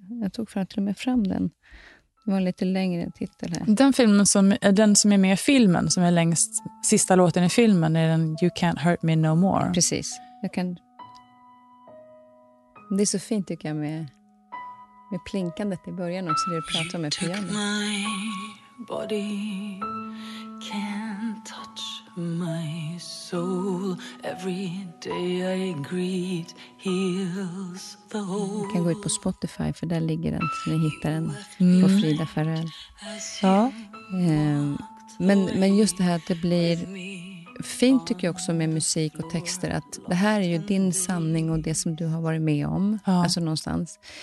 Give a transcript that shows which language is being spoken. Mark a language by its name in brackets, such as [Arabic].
[Swedish] Jag tog fram till och med fram den. Det var lite längre titel här. Den som är med i filmen, som är längst, sista låten i filmen, är den You Can't Hurt Me No More. Precis. Jag kan... Det är så fint tycker jag med plinkandet i början också. Det du pratar med pianot. [English] My body can't touch my soul. Every day I greet heals the whole. [Swedish] Jag kan gå ut på Spotify, för där ligger den. Så ni hittar den på Frida Farrell. Ja. Men just det här att det blir... Fint tycker jag också med musik och texter, att det här är ju din sanning och det som du har varit med om, ja, alltså någonstans.